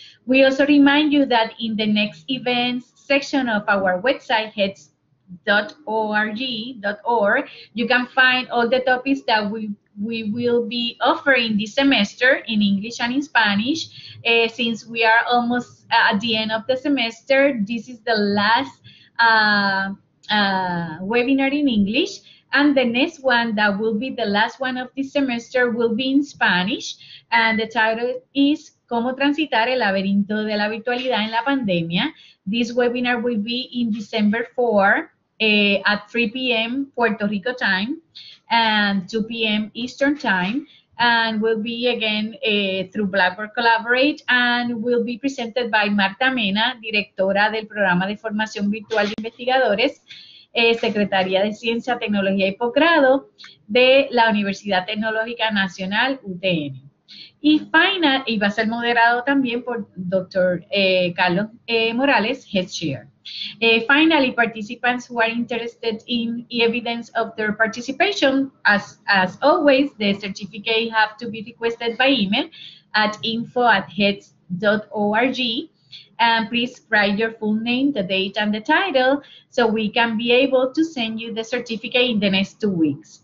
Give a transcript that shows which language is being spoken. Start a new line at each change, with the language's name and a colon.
English: We also remind you that in the next events section of our website, hets.org, you can find all the topics that we will be offering this semester in English and in Spanish. Since we are almost at the end of the semester, this is the last webinar in English, and the next one that will be the last one of this semester will be in Spanish, and the title is
Spanish: cómo transitar el laberinto de la virtualidad en la pandemia.
English: This webinar will be in December 4 at 3 p.m. Puerto Rico time and 2 p.m. Eastern time. And will be again through Blackboard Collaborate and will be presented by Marta Mena,
Spanish: directora del programa de formación virtual de investigadores, secretaria de Ciencia, Tecnología y Posgrado de la Universidad Tecnológica Nacional UTN. Y final, y va a ser moderado también por Dr.
English: Carlos Morales, Head Chair. Finally, participants who are interested in evidence of their participation, as always, the certificate have to be requested by email at info@heads.org. And please write your full name, the date, and the title so we can be able to send you the certificate in the next 2 weeks.